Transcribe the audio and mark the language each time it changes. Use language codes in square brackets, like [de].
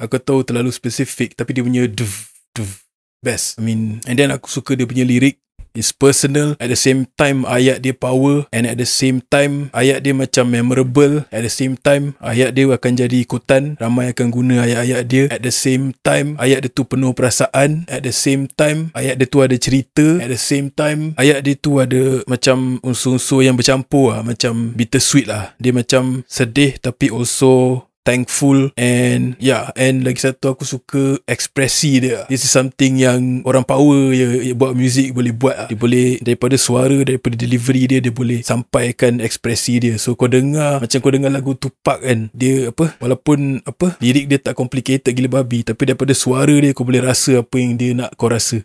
[ms] Aku tahu terlalu specific, tapi dia punya best. [en] I mean, and then aku suka dia punya lirik. It's personal. At the same time, ayat dia power. And at the same time, ayat dia macam memorable. At the same time, ayat dia akan jadi ikutan. [ms] Ramai akan guna ayat-ayat dia. At the same time, ayat dia tu penuh perasaan. At the same time, ayat dia tu ada cerita. At the same time, ayat dia tu ada macam unsur-unsur yang bercampur lah. Macam bittersweet lah. Dia macam sedih tapi also thankful. And yeah, and lagi satu aku suka ekspresi dia. This is something yang orang power je buat music boleh buat. Dia boleh, daripada suara, daripada delivery dia, dia boleh sampaikan ekspresi dia. So kau dengar, macam kau dengar lagu Tupac kan, dia apa, walaupun apa, lirik dia tak complicated gila babi, tapi daripada suara dia kau boleh rasa apa yang dia nak kau rasa.